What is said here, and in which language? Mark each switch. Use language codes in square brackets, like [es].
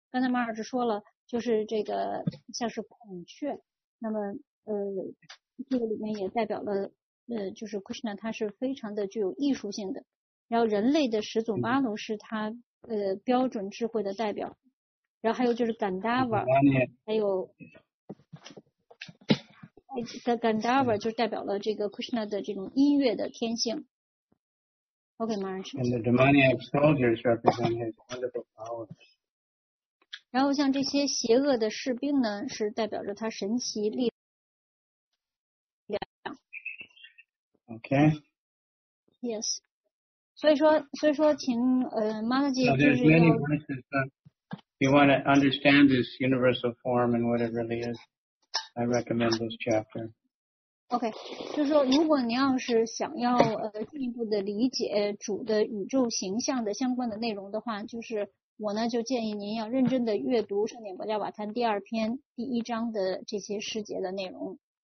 [zh] 刚才马尔斯说了，就是这个像是孔雀，那么这个里面也代表了就是 Krishna 它是非常的具有艺术性的，然后人类的始祖巴奴是它标准智慧的代表，然后还有就是甘达瓦，还有甘达瓦就代表了这个 Krishna 的这种音乐的天性。 [en] OK, Maharaj. And the demoniac soldiers represent his wonderful powers. [zh] 然后像这些邪恶的士兵呢，是代表着他神奇力量。 [en] OK. [zh] Yes. 所以说请Mataji, [en] so there's many verses, but if you want to understand this universal form and what it really is, I recommend this chapter. [zh] Okay, 就是说如果你要是想要进一步的理解主的宇宙形象的相关的内容的话，就是我呢就建议您要认真的阅读圣殿伯加瓦坛第二篇第一章的这些诗节的内容。